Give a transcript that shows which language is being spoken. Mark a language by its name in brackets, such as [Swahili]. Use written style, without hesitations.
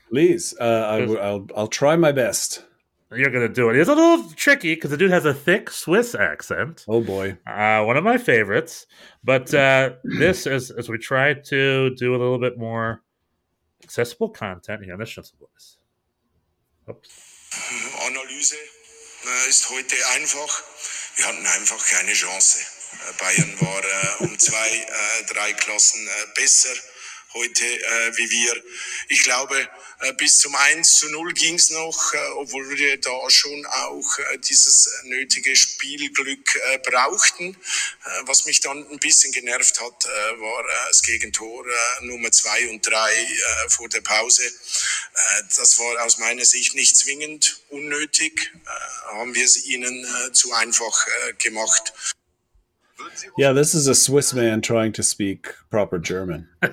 [English] Please. I'll try my best. You're going to do it. It's a little tricky because the dude has a thick Swiss accent. Oh, boy. One of my favorites. But this is, as we try to do a little bit more accessible content here on the Schnitzel Boys. Oops. [German] Analyse ist heute einfach. Wir hatten einfach keine Chance. Bayern war zwei, drei Klassen besser heute wie wir. Ich glaube, bis zum 1-0 ging es noch, obwohl wir da schon auch dieses nötige Spielglück brauchten. Was mich dann ein bisschen genervt hat, war das Gegentor Nummer 2 und 3 vor der Pause. Das war aus meiner Sicht nicht zwingend unnötig. Haben wir es ihnen zu einfach gemacht. [English] Yeah, this is a Swiss man trying to speak proper German.